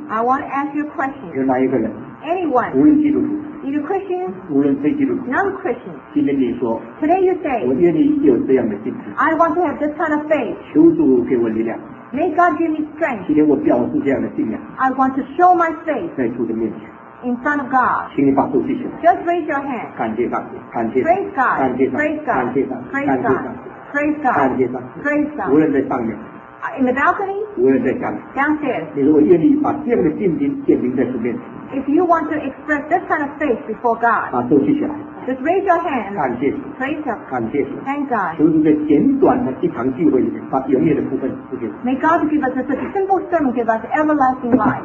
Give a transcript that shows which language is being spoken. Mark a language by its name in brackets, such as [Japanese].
[English] I want to ask you a question. [Chinese] 有哪一个人 [English] ？Anyone. [Chinese] 无论基督徒。 [English] Either Christian, [Chinese] 无论非基督徒 [English] non-Christian, [Chinese] 今天你说 [English] Today you say, [Chinese] 我愿意有这样的信心 [English] I want to have this kind of faith, [Chinese] 求主给我力量 [English] May God give me strength, [Chinese] 今天我表示这样的信仰 [English] I want to show my faith, [Chinese] 在主的面前 [English] In front of God, [Chinese] 请你把手举起来 [English] Just raise your hand, [Chinese] 感谢上帝感谢 [English] Praise God, [Chinese] 感谢上 [English] Praise God, [Chinese] 感谢上 [English] Praise God, [Chinese] 感谢上 [English] Praise God, [Chinese] 感谢上 [English] Praise God, [Chinese] 无论在上面 [English] In the balcony, [Chinese] 无论在下面 [English] Downstairs, [Chinese] 你说我愿意把这样的信心建立在主面前 [English] If you want to express this kind of faith before God, [Chinese] 把手举起来 [English] Just raise your hand. [Chinese] 感谢主 [English] Praise God. [Chinese] 感谢主 [English] Thank God. [Chinese] 求主在简短的一堂聚会里面，把永远的部分赐给我 [English] May God give us such a simple sermon, give us everlasting life.